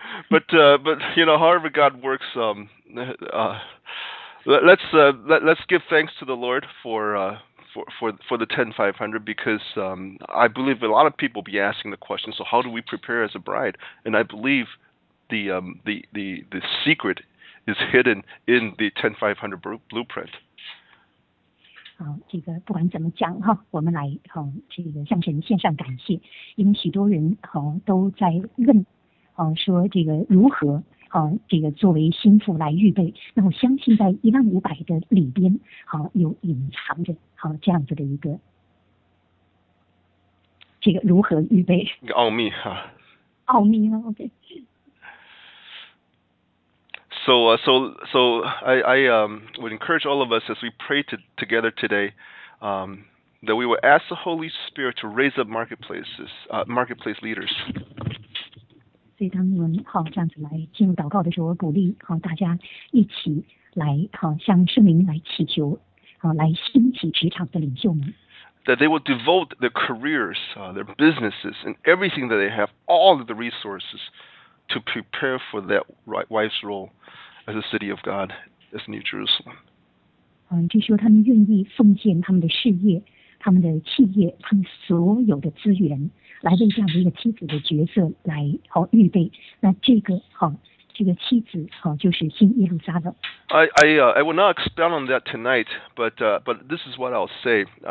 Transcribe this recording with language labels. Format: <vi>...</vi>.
<en>But you know, however God works, let's give thanks to the Lord for the 10500, because I believe a lot of people be asking the question, so how do we prepare as a bride? And I believe the secret is hidden in the 10500 blueprint.</en> <zh>好，这个不管怎么讲哈，我们来好这个向神献上感谢，因为许多人好都在问，好说这个如何好这个作为心腹来预备。那我相信在1500的里边，好有隐藏着好这样子的一个这个如何预备一个奥秘哈，奥秘吗 ？OK。</zh> <en>So I would encourage all of us as we pray together today, that we would ask the Holy Spirit to raise up marketplace leaders.</en> <zh>所以当我们好这样子来进入祷告的时候，我鼓励好大家一起来好向圣灵来祈求，好来兴起职场的领袖们。</zh> <en>That they will devote their careers, their businesses, and everything that they have, all of the resources. To prepare for that wife's role as a city of God, as New Jerusalem.</en> <zh>这时候他们愿意奉献他们的事业、他们的企业、他们所有的资源，来为这样的一个妻子的角色来好预备。那这个好，这个妻子好就是新耶路撒冷。</zh> <en>I will not expound on that tonight, but this is what I'll say.</en>